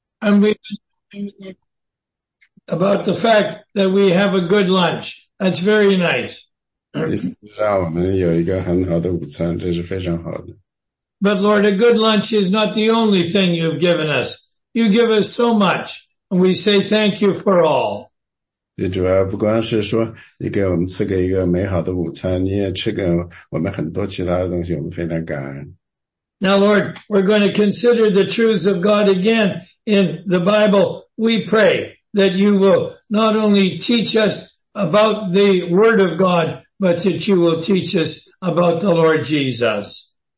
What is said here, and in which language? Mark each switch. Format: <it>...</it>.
<en>And we about the fact that we have a good lunch. That's very nice.</en> <zh>让我们有一个很好的午餐，这是非常好的。</zh> <en>But Lord, a good lunch is not the only thing you've given us. You give us so much, and we say thank you for all.</en> <zh>主要不光是说你给我们赐给一个美好的午餐，你也赐给我们很多其他的东西，我们非常感恩。</zh> <en>Now, Lord, we're going to consider the truths of God again in the Bible. We pray that you will not only teach us about the Word of God, but that you will teach us about the Lord Jesus.</en>